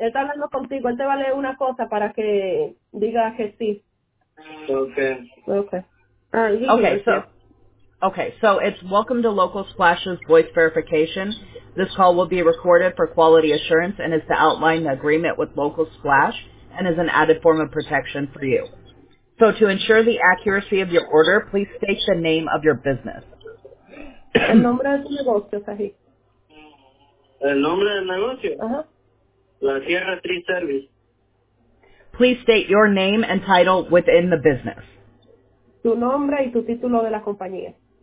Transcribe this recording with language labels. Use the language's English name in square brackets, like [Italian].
[Spanish] Él está hablando contigo, él te va a leer una cosa para que diga que sí. [English] Okay. Okay. Okay, so, Okay, so it's Welcome to Local Splash's Voice Verification. This call will be recorded for quality assurance and is to outline the agreement with Local Splash and is an added form of protection for you. So to ensure the accuracy of your order, please state the name of your business. [Spanish] El nombre del negocio, Fahy. El nombre del negocio. Uh-huh. La Sierra Tree Service. [English] Please state your name and title within the business. [Spanish] Tu nombre y tu título de la compañía.